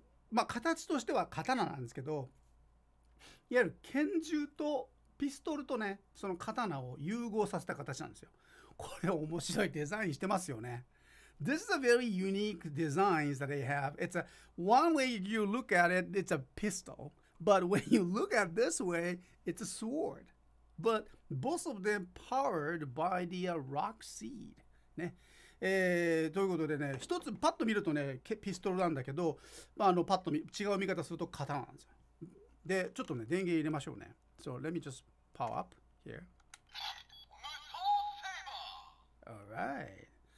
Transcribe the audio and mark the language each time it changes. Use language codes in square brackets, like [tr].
[ja] まあ、形としては刀なんですけど、いわゆる拳銃とピストルとね、その刀を融合させた形なんですよ。これ面白いデザインしてますよね。 [en] This is a very unique design that they have. It's a one way you look at it, it's a pistol. But when you look at this way, it's a sword. But both of them powered by the rock seed. [ja] ね、ということでね、一つパッと見るとね、ピストルなんだけど、まあ、パッと違う見方すると刀なんですよ。で、ちょっとね、電源入れましょうね。 [en] So let me just power up here. All right.